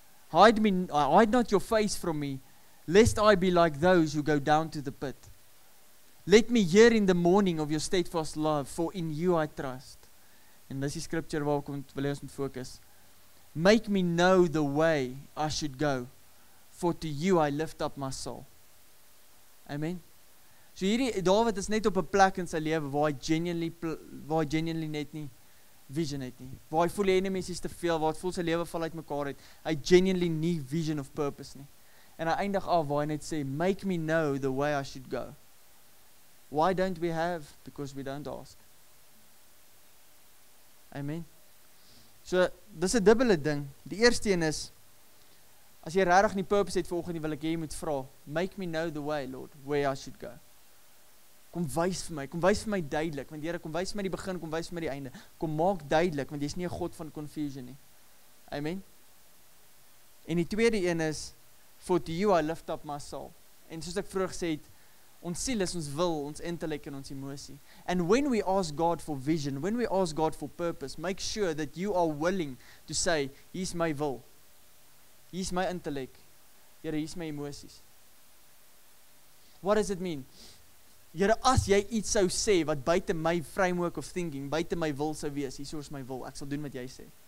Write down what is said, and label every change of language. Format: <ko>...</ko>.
<en>Hide not your face from me, lest I be like those who go down to the pit. Let me hear in the morning of your steadfast love, for in you I trust. And this is scripture</en> <af>waar ons moet</af> <en>focus. Make me know the way I should go, for to you I lift up my soul. Amen.</en> <af>So hierdie, David is net op 'n plek in sy lewe waar hy genuinely net nie vision het nie. Waar hy voel die enemies is te veel, waar het voel sy lewe val uit mekaar het. Hy genuinely nie vision of purpose nie. En hy eindig af waar hy net sê,</af> <en>make me know the way I should go. Why don't we have? Because we don't ask.</en> <af>Amen. So, dis 'n dubbele ding. Die eerste een is, as jy regtig nie purpose het vanoggend, wil ek jy moet vra,</af> <en>make me know the way, Lord, where I should go.</en> <af>Kom wys vir my duidelik, want Here, kom wys vir my die begin, kom wys vir my die einde. Kom maak duidelik, want jy is nie 'n God van confusion nie. Amen. En die tweede een is,</af> <en>for to you I lift up my soul.</en> <af>En soos ek vroeër gesê het, ons siel is ons wil, ons intellect en ons emosie.</af> <en>And when we ask God for vision, when we ask God for purpose, make sure that you are willing to say,</en> <af>hier is my wil, hier is my intellect, Here, hier is my emoties.</af> <en>What does it mean?</en> <af>Here, as jy iets sou sê wat buiten my framework of thinking, buiten my wil sou wees, hier is my wil, ek sal doen wat jy sê.</af>